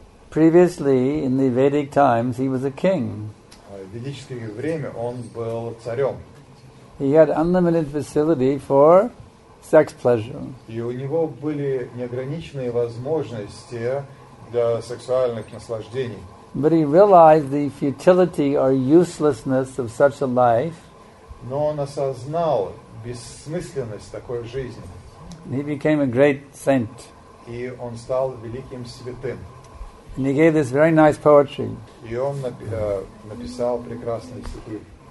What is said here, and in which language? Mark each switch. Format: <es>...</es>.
<en>Previously, in the Vedic times, he was a king.</en> <ru>В ведическое время он был царем.</ru> <en>He had unlimited facility for sex pleasure.</en> <ru>И у него были неограниченные возможности для сексуальных наслаждений.</ru> <en>But he realized the futility or uselessness of such a life.</en> <ru>Но он осознал бессмысленность такой жизни.</ru> <en>And he became a great saint.</en> <ru>И он стал великим святым.</ru> <en>And he gave this very nice poetry.</en> <ru>И он написал прекрасные стихи.</ru>